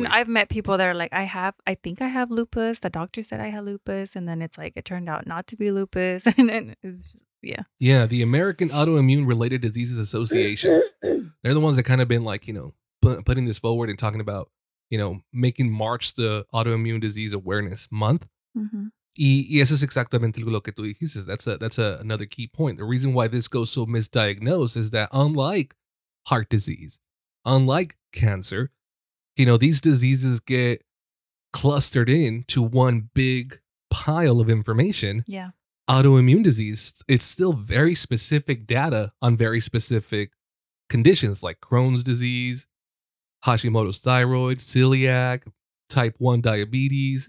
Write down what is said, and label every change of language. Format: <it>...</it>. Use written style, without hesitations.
<en>Like I've met people that are like, I think I have lupus. The doctor said I had lupus. And then it's like, it turned out not to be lupus. And then it's just, yeah. Yeah, the American Autoimmune Related Diseases Association. They're the ones that kind of been like, you know, putting this forward and talking about, you know, making March the Autoimmune Disease Awareness Month. Mm-hmm.</en> <es>Y eso es exactamente lo que tú dijiste.</es> <en>That's another key point. The reason why this goes so misdiagnosed is that unlike heart disease, unlike cancer, you know, these diseases get clustered in to one big pile of information. Yeah. Autoimmune disease, it's still very specific data on very specific conditions like Crohn's disease, Hashimoto's thyroid, celiac, type 1 diabetes,</en>